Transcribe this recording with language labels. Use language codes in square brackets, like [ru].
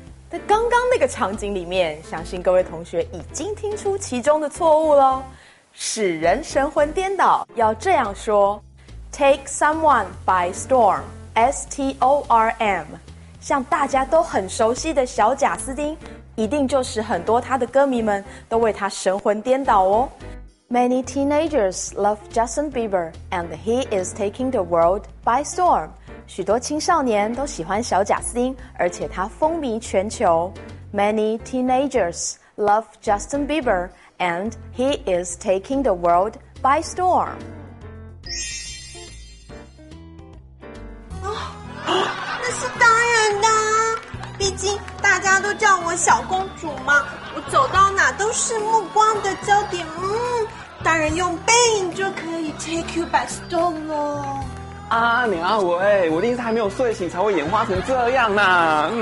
[zh] 在刚刚那个场景里面，相信各位同学已经听出其中的错误了。使人神魂颠倒要这样说 [en] take someone by storm， [zh] S-T-O-R-M， 像大家都很熟悉的小贾斯汀，一定就使很多他的歌迷们都为他神魂颠倒哦。 [en] Many teenagers love Justin Bieber and he is taking the world by storm， [zh] 许多青少年都喜欢小贾斯汀，而且他风靡全球。 [en] Many teenagers love Justin Bieber, and he is taking the world by storm. [zh] 那是当然的，毕竟大家都叫我小公主嘛，我走到哪都是目光的焦点。嗯，当然用背影就可以 [en] take you by storm [zh] 了。啊，你啊，我一定是还没有睡醒才会眼花成这样呐、啊！